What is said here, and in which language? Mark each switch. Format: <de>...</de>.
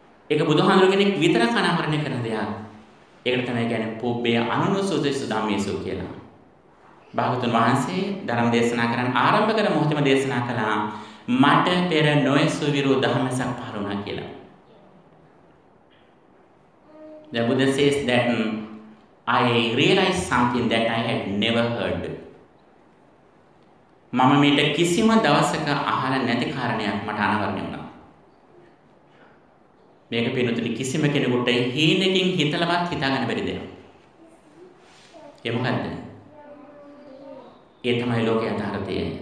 <si>ඒක බුදුහාමර කෙනෙක් විතරක් අනාවරණය කරන දෙයක්. ඒකට තමයි කියන්නේ පුබ්බේ අනුනුසුදෙස ධම්මේසු කියලා. භාගතුන් වහන්සේ ධර්ම දේශනා කරන්න ආරම්භ කර මොහොතම දේශනා කළා මට පෙර නොයසු විරු ධම්මසක් පරුණා කියලා.</si> <en>The Buddha says that I realized something that I had never heard.</en> <si>මම මේට කිසිම දවසක අහලා නැති කාරණයක් මට අනාවරණය වුණා. මේක පිනුතුනි කිසිම කෙනෙකුට හීනකින් හිතලවත් හිතාගන්න බැරි දෙයක්. ඒ මොකද්ද? ඒ තමයි ලෝකයේ අදහරතේ.</si>